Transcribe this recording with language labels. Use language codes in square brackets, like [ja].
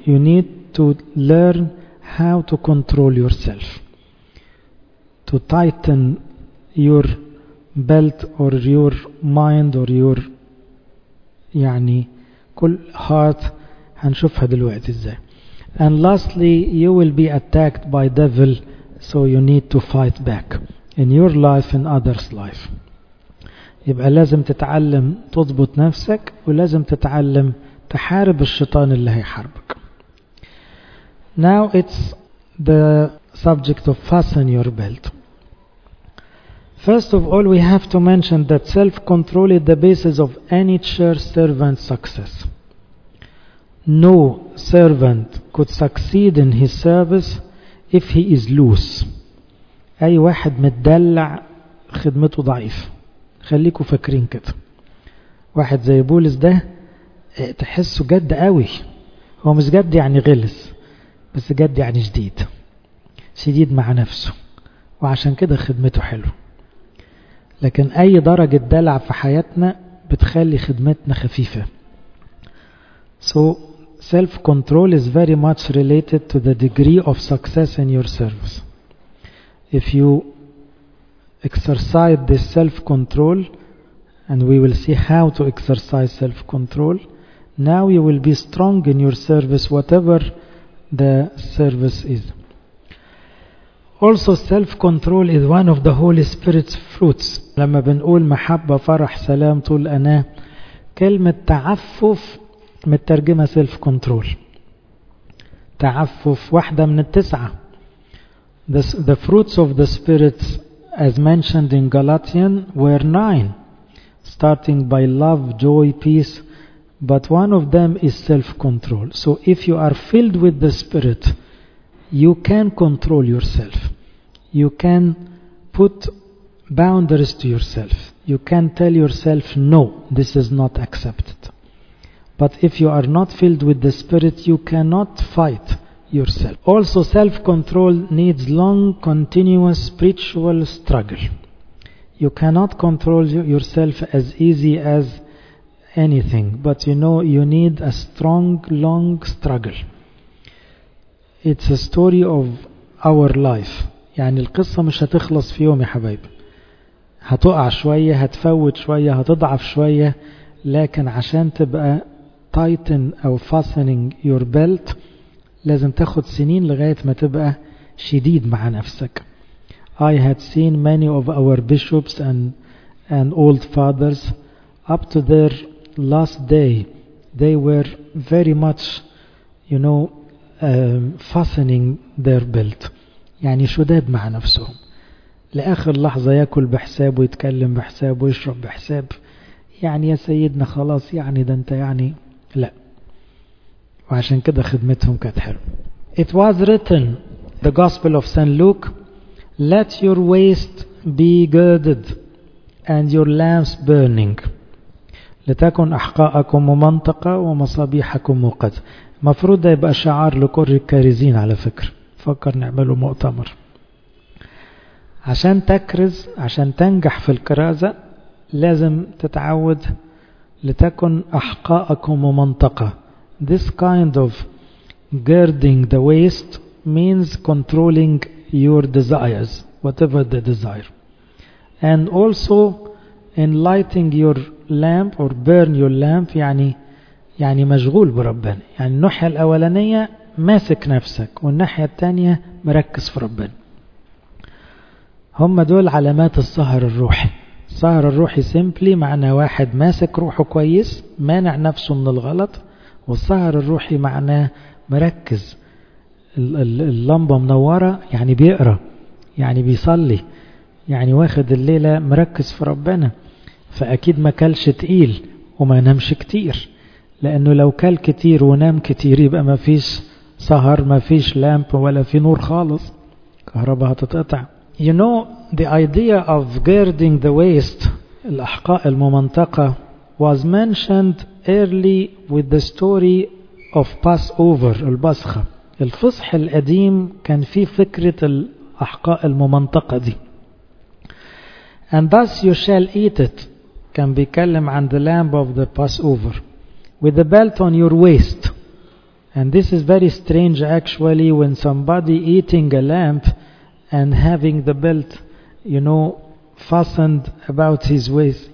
[en] You need to learn how to control yourself, to tighten your belt or your mind or your [ar] يعني كل [en] heart. [ar] هنشوفها دلوقتي ازاي. [en] And lastly, you will be attacked by devil, so you need to fight back in your life and others' life. [ar] يبقى لازم تتعلم تضبط نفسك ولازم تتعلم تحارب الشيطان اللي هيحاربك. [en] Now it's the subject of fasten your belt. First of all, we have to mention that self-control is the basis of any church servant's success. No servant could succeed in his service if he is loose. [ar] أي واحد متدلع خدمته ضعيف. خليكوا فاكرين كده. واحد زي بولس ده تحسه جد قوي. هو مش جد يعني غلس، بس جد يعني جديد. شديد مع نفسه. وعشان كده خدمته حلو. لكن أي درجة دلع في حياتنا بتخلي خدمتنا خفيفة. [en] So self-control is very much related to the degree of success in your service. If you exercise this self-control, and we will see how to exercise self-control, now you will be strong in your service whatever the service is. Also, self-control is one of the Holy Spirit's fruits. [ar] لما بنقول محبة فرح سلام طول أنا كلمة تعفف مترجمة self-control. تعفف واحدة من التسعة. [en] The fruits of the Spirit, as mentioned in Galatians, were nine, starting by love, joy, peace. But one of them is self-control. So if you are filled with the Spirit, you can control yourself. You can put boundaries to yourself. You can tell yourself, no, this is not accepted. But if you are not filled with the Spirit, you cannot fight yourself. Also, self-control needs long, continuous spiritual struggle. You cannot control yourself as easy as anything, but you know you need a strong, long struggle. It's a story of our life. [ar] يعني القصة مش هتخلص في يوم يا حبايب. هتقع شوية, هتفوت شوية, هتضعف شوية, لكن عشان تبقى tighten أو [en] fastening your belt [ar] لازم تاخد سنين لغاية ما تبقى شديد مع نفسك. [en] I had seen many of our bishops and old fathers up to their last day. They were very much, you know, fastening their belt. [ar] يعني شداد مع نفسهم. لآخر لحظة يأكل بحساب ويتكلم بحساب ويشرب بحساب. يعني يا سيدنا خلاص يعني ده انت يعني لا. وعشان كده خدمتهم كانت حلوة. It was written, the Gospel of St. Luke, let your waist be girded and your lamps burning. لتكن أحقاءكم ممنطقة ومصابيحكم موقدة. مفروض ده يبقى شعار لكل الكارزين على فكرة. فكر نعمله مؤتمر. عشان تكرز, عشان تنجح في الكرازة لازم تتعود لتكن أحقاءكم ممنطقة. [en] This kind of girding the waist means controlling your desires, whatever the desire. And also enlightening your lamp or burn your lamp, [ar] يعني مشغول بربنا. يعني النحية الأولانية ماسك نفسك والناحية التانية مركز في ربنا. هم دول علامات السهر الروحي. السهر الروحي simply معنى واحد ماسك روحه كويس, مانع نفسه من الغلط. والسهر الروحي معناه مركز, اللمبة منورة, يعني بيقرأ, يعني بيصلي, يعني واخد الليلة مركز في ربنا. فأكيد ما كلش تقيل وما نامش كتير, لأنه لو كل كتير ونام كتير يبقى ما فيش سهر, ما فيش لامب ولا في نور خالص, كهرباء هتتقطع. [en] You know the idea of girding the waist, [ar] الأحقاء الممنطقة, [en] was mentioned early with the story of Passover, البسخة. [ar] الفصح القديم كان فيه فكرة الأحقاء الممنطقة دي. [en] And thus you shall eat it, [ar] كان بيكلم عن [en] the lamb of the Passover, with the belt on your waist. And this is very strange actually, when somebody eating a lamb and having the belt, you know, fastened about his waist.